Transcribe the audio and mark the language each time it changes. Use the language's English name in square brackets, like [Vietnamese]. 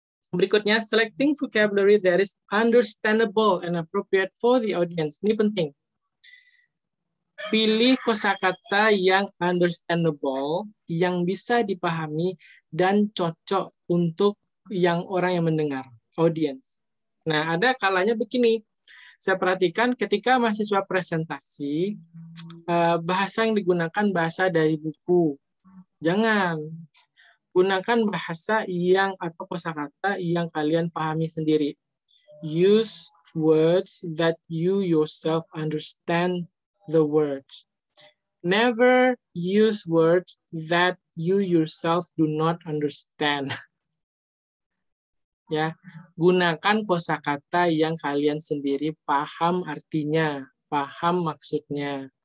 [Indonesian] Berikutnya, [English] selecting vocabulary that is understandable and appropriate for the audience. [Indonesian] Ini penting. Pilih kosakata yang understandable, yang bisa dipahami, dan cocok untuk yang orang yang mendengar. Audience. Nah, ada kalanya begini. Saya perhatikan ketika mahasiswa presentasi, bahasa yang digunakan bahasa dari buku. Jangan. Gunakan bahasa yang atau kosakata yang kalian pahami sendiri. [English] Use words that you yourself understand the words. Never use words that you yourself do not understand. [Indonesian] Ya, gunakan kosakata yang kalian sendiri paham artinya, paham maksudnya.